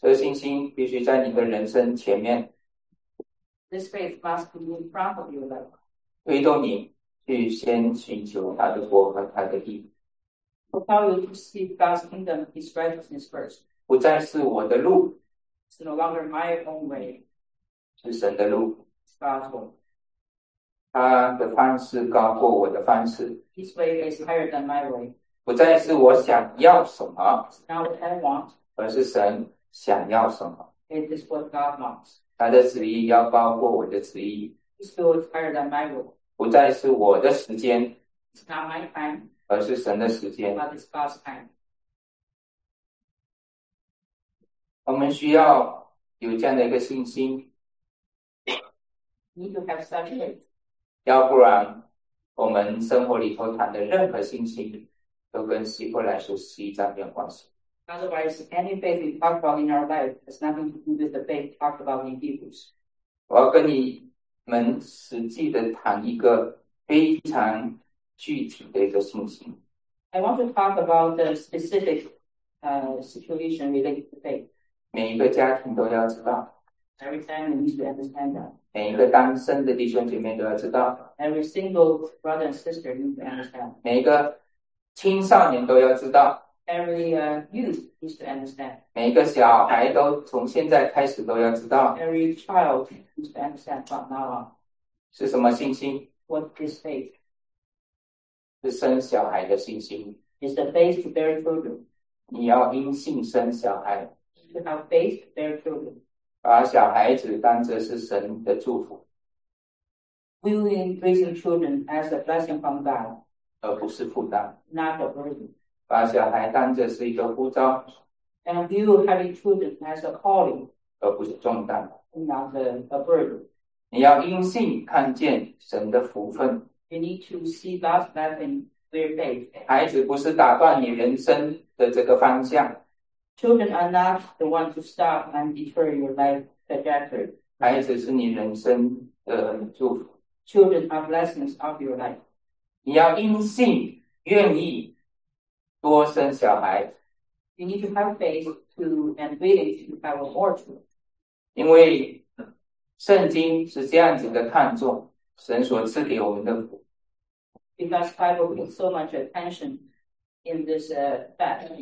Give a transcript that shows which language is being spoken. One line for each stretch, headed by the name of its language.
Chinese: 这个信心必须在你的人生前面。
English: This faith must be in front of your life.
Chinese: 推动你去先寻求他的国和他的义。
English: Propel you to seek God's kingdom, His righteousness first.
Chinese: 不再是我的路。
English: It's no longer my own way.
Chinese: 是神的路。
English: It's God's way.
Chinese: 他的方式高过我的方式。
English: His way is higher than my way.
Chinese: 不再是我想要什么。
English: It's not what I want.
Chinese: 而是神想要什么。
English: It is what God wants.
Chinese: 他的旨意要高过我的旨意。
English: His will is higher than my will.
Chinese: 不再是我的时间。
English: It's not my time.
Chinese: 而是神的时间。
English: But it's God's time.
Chinese: 我们需要有这样的一个信心。
English: You need to have such faith.
Chinese: 要不然我们生活里头谈的任何信心 都跟希伯来书11章有关系。
English: Otherwise, any faith we talk about in our life has nothing to do with the faith talked about in Hebrews.
Chinese: 我要跟你们实际的谈一个非常具体的一个信心。
English: I want to talk about the specific situation related to faith.
Chinese: 每一个家庭都要知道。
English: Every family needs to understand that.
Chinese: 每一个单身的弟兄姐妹都要知道。
English: Every single brother and sister needs to understand.
Chinese: 每一个青少年都要知道。
English: Every youth needs to understand.
Chinese: 每一个小孩都从现在开始都要知道。
English: Every child needs to understand from now on.
Chinese: 是什么信心?
English: What is faith?
Chinese: 是生小孩的信心。
English: Is the faith to bear children?
Chinese: 你要因信生小孩。
English: To have faith to bear children.
Chinese: 把小孩子当作是神的祝福。
English: Viewing raising children as a blessing from God.
Chinese: 而不是负担。
English: Not a burden.
Chinese: 把小孩当作是一个呼召。
English: And view having children as a calling.
Chinese: 而不是重担。
English: Not a burden.
Chinese: 你要因信看见神的福分。
English: You need to see God's blessing through faith.
Chinese: 孩子不是打断你人生的这个方向。
English: Children are not the one to stop and deter your life trajectory.
Chinese: 孩子是你人生的祝福。
English: Children are blessings of your life.
Chinese: 你要因信愿意多生小孩。
English: You need to have faith to and willing to have more children.
Chinese: 因为圣经是这样子的看重神所赐给我们的福。
English: Because Bible put so much attention in this fact.